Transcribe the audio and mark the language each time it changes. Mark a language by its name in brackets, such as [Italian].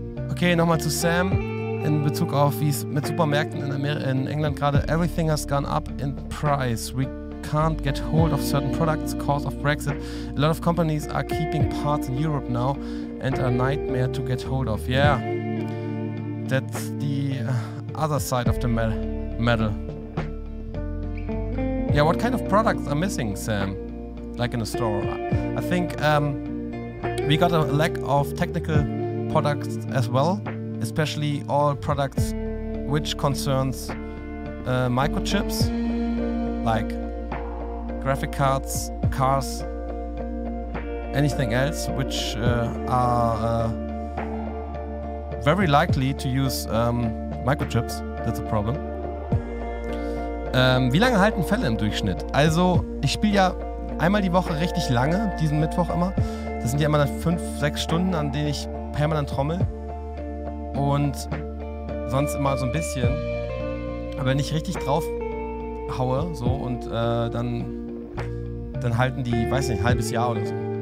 [German] Okay, nochmal zu Sam in Bezug auf, wie es mit Supermärkten in England gerade. [English] Everything has gone up in price. We can't get hold of certain products because of Brexit. A lot of companies are keeping parts in Europe now and a nightmare to get hold of. Yeah, that's the other side of the medal. Yeah, what kind of products are missing, Sam? Like in a store? I think we got a lack of technical products as well, especially all products which concerns microchips, like graphic cards, cars, anything else which are very likely to use microchips. That's a problem. [German] Wie lange halten Fälle im Durchschnitt? Also ich spiele ja einmal die Woche richtig lange, diesen Mittwoch immer. Das sind ja immer 5-6 Stunden, an denen ich permanent Trommel und sonst immer so ein bisschen. Aber wenn ich richtig drauf haue, so und dann halten die, weiß nicht, ein halbes Jahr oder so.